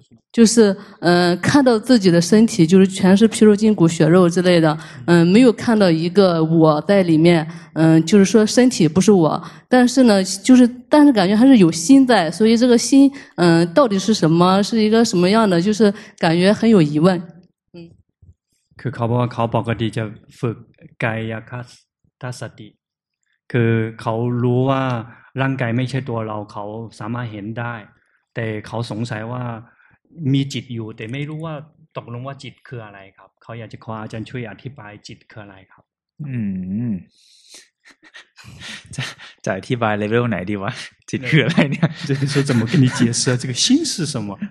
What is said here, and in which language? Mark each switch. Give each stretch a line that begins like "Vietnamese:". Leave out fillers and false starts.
Chinese: 就是看到自己的身体就是全是皮肉筋骨血肉之类的，没有看到一个我在里面，就是说身体不是我，但是呢就是但是感觉还是有心在，所以这个心到底是什么，是一个什么样的，就是感觉很有疑问。
Thai: คือเขาบอกว่าเขาปกติจะฝึกกายคตาสติคือเขารู้ว่าร่างกายไม่ใช่ตัวเราเขาสามารถเห็นได้แต่เขาสงสัยว่ามีจิตอยู่แต่ไม่รู้ว่าตกลงว่าจิตคืออะไรครับเขาอยากจะขออาจารย์ช่วยอธิบายจิตคืออะไรครับ จะอธิบายเลเวลไหนดีวะจิตคืออะไรเนี่ย
Chinese: 就是说怎么跟你解释啊这个心是什么